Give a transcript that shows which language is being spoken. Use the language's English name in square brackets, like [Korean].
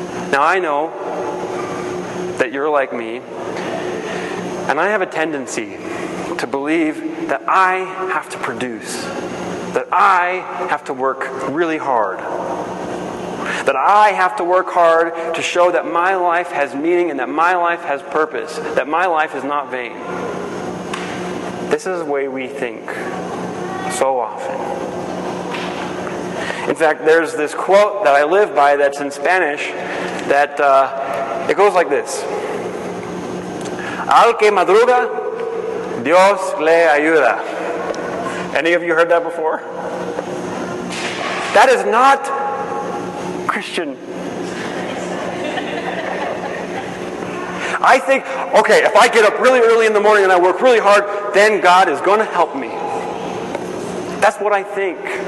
[English] Now I know that you're like me, and I have a tendency to believe that I have to produce, that I have to work really hard, that I have to work hard to show that my life has meaning and that my life has purpose, that my life is not vain. This is the way we think so often. In fact, there's this quote that I live by that's in Spanish that it goes like this. [Spanish] Al que madruga, Dios le ayuda. [English] Any of you heard that before? That is not Christian. I think, okay, if I get up really early in the morning and I work really hard, then God is going to help me. That's what I think.